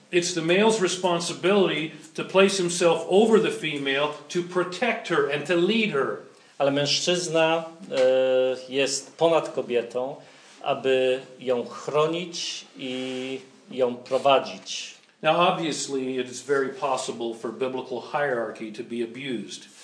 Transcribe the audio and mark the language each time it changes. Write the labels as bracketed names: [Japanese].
[English] It's the male's responsibility to place himself over the female to protect her and to lead her. [Polish] Ale mężczyzna jest ponad kobietą, aby ją chronić i ją prowadzić. [English] Now obviously it is very possible for biblical hierarchy to be abused.